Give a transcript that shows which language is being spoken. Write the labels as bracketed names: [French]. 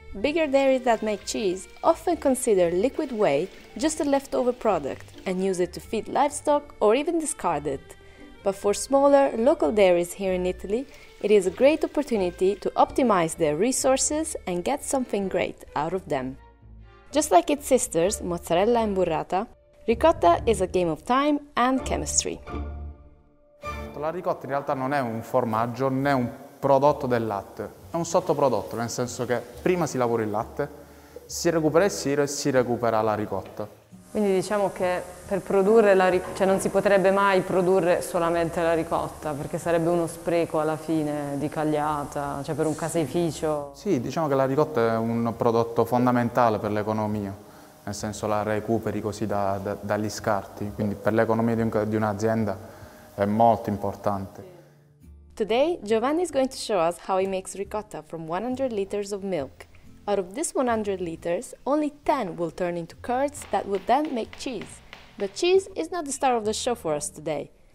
[English] Bigger dairies that make cheese often consider liquid whey just a leftover product and use it to feed livestock or even discard it. But for smaller, local dairies here in Italy, it is a great opportunity to optimize their resources and get something great out of them. Just like its sisters, mozzarella and burrata, ricotta is a game of time and chemistry. [Italian] La ricotta in realtà non è un formaggio né un prodotto del latte, è un sottoprodotto, nel senso che prima si lavora il latte, si recupera il siro e si recupera la ricotta. Quindi diciamo che per produrre la ricotta, cioè non si potrebbe mai produrre solamente la ricotta, perché sarebbe uno spreco alla fine di cagliata, cioè per un caseificio. Sì, diciamo che la ricotta è un prodotto fondamentale per l'economia, nel senso la recuperi così dagli scarti, quindi per l'economia di un'azienda è molto importante. [English] Today Giovanni is going to show us how he makes ricotta from 100 liters of milk. Out of this 100 liters, only 10 will turn into curds that will then make cheese. But cheese is not the star of the show for us today.